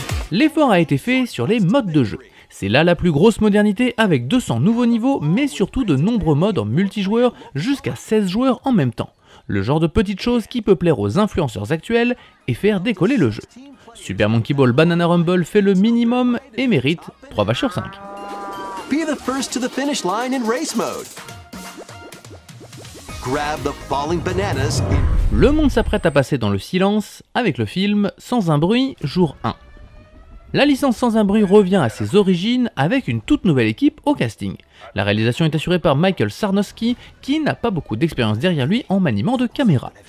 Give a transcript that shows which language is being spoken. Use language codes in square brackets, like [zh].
[fr] L'effort a été fait sur les modes de jeu. C'est là la plus grosse modernité avec 200 nouveaux niveaux, mais surtout de nombreux modes en multijoueur, jusqu'à 16 joueurs en même temps. Le genre de petite chose qui peut plaire aux influenceurs actuels et faire décoller le jeu. Super Monkey Ball Banana Rumble fait le minimum et mérite 3 vaches sur 5. [en] Be the first to the finish line in race mode. Grab the falling bananas. [fr] Le monde s'apprête à passer dans le silence avec le film Sans un bruit, jour 1. La licence Sans un bruit revient à ses origines avec une toute nouvelle équipe au casting. La réalisation est assurée par Michael Sarnowski, qui n'a pas beaucoup d'expérience derrière lui en maniement de caméra.